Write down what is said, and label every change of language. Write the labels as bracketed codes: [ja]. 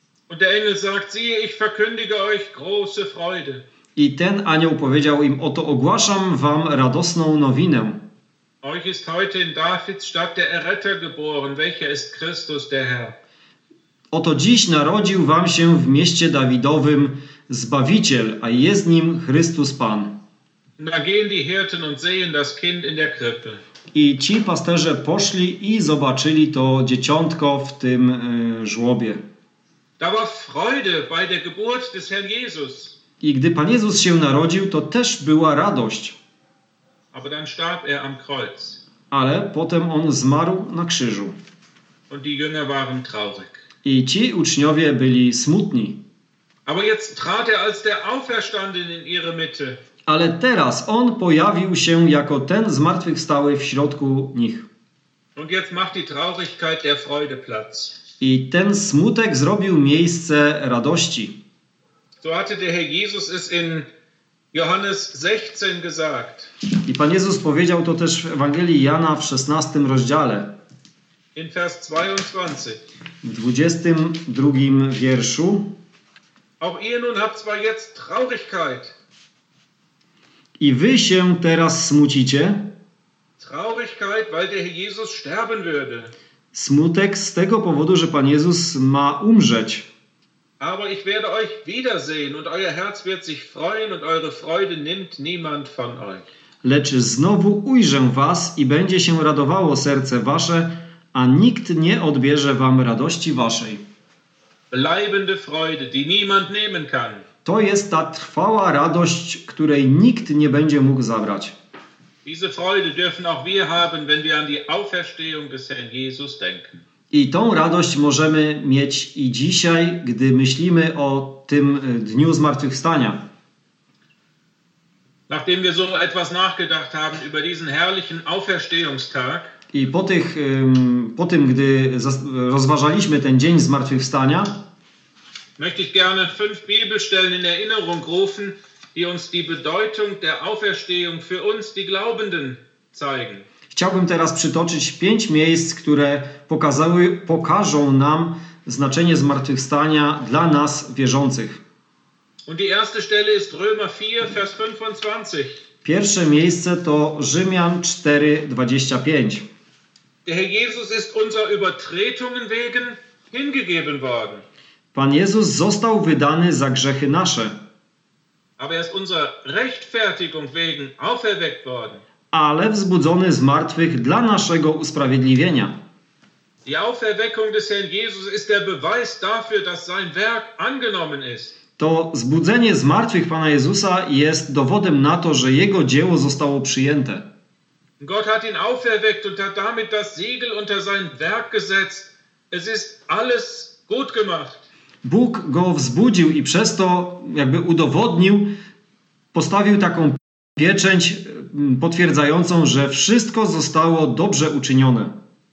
[de] Und der Engel sagt, siehe, ich verkündige euch große Freude. [pl] I ten anioł powiedział im, oto ogłaszam wam radosną nowinę. [de] Euch ist heute in Davids Stadt der Erretter geboren, welcher ist Christus der Herr. [pl] Oto dziś narodził wam się w mieście Dawidowym Zbawiciel, a jest nim Chrystus Pan. [de] Da gehen die Hirten und sehen das Kind in der Krippe. [pl] I ci pasterze poszli i zobaczyli to dzieciątko w tym żłobie. [de] Da war Freude bei der Geburt des Herrn Jesus. [pl] I gdy Pan Jezus się narodził, to też była radość. [de] Aber dann starb er am Kreuz. [pl] Ale potem on zmarł na krzyżu. [de] Und die Jünger waren traurig. [pl] I ci uczniowie byli smutni. [de] Aber jetzt trat er als der Auferstandene in ihre Mitte. [pl] Ale teraz on pojawił się jako ten zmartwychwstały w środku nich. [de] Und jetzt macht die Traurigkeit der Freude Platz. [pl] I ten smutek zrobił miejsce radości. [de] So hatte der Herr Jesus es in Johannes 16 gesagt. [pl] I Pan Jezus powiedział to też w Ewangelii Jana w 16 rozdziale. [de] In Vers 22. [pl] W 22 wierszu. [de] Auch ihr nun habt zwar jetzt Traurigkeit. [pl] I wy się teraz smucicie. [de] Traurigkeit, weil der Jesus sterben würde. [pl] Smutek z tego powodu, że Pan Jezus ma umrzeć. [de] Aber ich werde euch wiedersehen und euer Herz wird sich freuen und eure Freude nimmt niemand von euch. [pl] Lecz znowu ujrzę was i będzie się radowało serce wasze, a nikt nie odbierze wam radości waszej. [de] Bleibende Freude, die niemand nehmen kann. [pl] To jest ta trwała radość, której nikt nie będzie mógł zabrać. [de] Diese Freude dürfen auch wir haben, wenn wir an die Auferstehung des Herrn Jesus denken. [pl] I tą radość możemy mieć i dzisiaj, gdy myślimy o tym dniu zmartwychwstania. [de] Nachdem wir so etwas nachgedacht haben über diesen herrlichen Auferstehungstag. [pl] I po tym, gdy rozważaliśmy ten dzień zmartwychwstania, [de] möchte ich gerne fünf Bibelstellen in Erinnerung rufen, die uns die Bedeutung der Auferstehung für uns, die Glaubenden, zeigen. [pl] Chciałbym teraz przytoczyć pięć miejsc, które pokażą nam znaczenie zmartwychwstania dla nas wierzących. [de] Und die erste Stelle ist Römer 4, Vers 25. [pl] Pierwsze miejsce to Rzymian 4:25. [de] Der Herr Jesus ist unserer Übertretungen wegen hingegeben worden. [pl] Pan Jezus został wydany za grzechy nasze. [de] Aber er ist unserer Rechtfertigung wegen auferweckt worden. [pl] Ale wzbudzony z martwych dla naszego usprawiedliwienia. [de] Die Auferweckung des Herrn Jesus ist der Beweis dafür, dass sein Werk angenommen ist. [pl] To wzbudzenie z martwych Pana Jezusa jest dowodem na to, że jego dzieło zostało przyjęte. [de] Gott hat ihn auferweckt und hat damit das Siegel unter sein Werk gesetzt. Es ist alles gut gemacht. [pl] Bóg go wzbudził i przez to jakby udowodnił, postawił taką pieczęć potwierdzającą, że wszystko zostało dobrze uczynione.